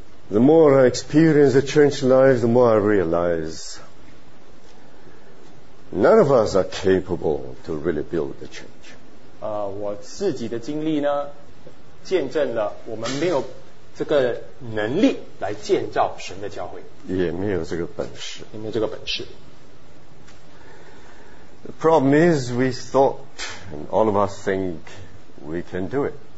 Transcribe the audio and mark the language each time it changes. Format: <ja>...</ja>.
<en>the more I experience the church life, the more I realize none of us are capable to really build the church.</en> <zh>我自己的经历呢, 见证了我们没有这个能力来建造神的教会, 也没有这个本事, 也没有这个本事。</zh> <en>The problem is we thought, and all of us think we can do it.</en>